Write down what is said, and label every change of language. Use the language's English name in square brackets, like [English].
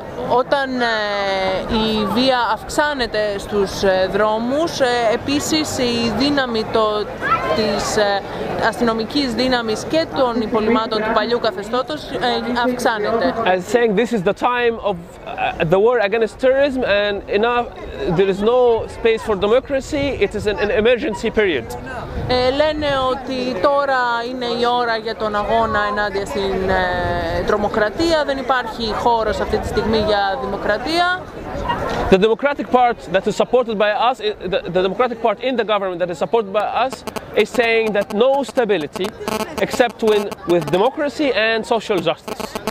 [Greek] Όταν η βία αυξάνεται στους δρόμους, επίσης η δύναμη της αστυνομικής δύναμης και των υπολοιμάτων του παλιού καθεστώτος αυξάνεται. [English] I'm saying this is the time of the war against terrorism and enough, there is no space for democracy, it is an emergency period. [Greek] Λένε ότι τώρα είναι η ώρα για τον αγώνα ενάντια στην τρομοκρατία, δεν υπάρχει χώρο σε αυτή τη στιγμή για δημοκρατία. [English] The democratic part that is supported by us, the democratic part in the government that is supported by us is saying that no stability except with democracy and social justice.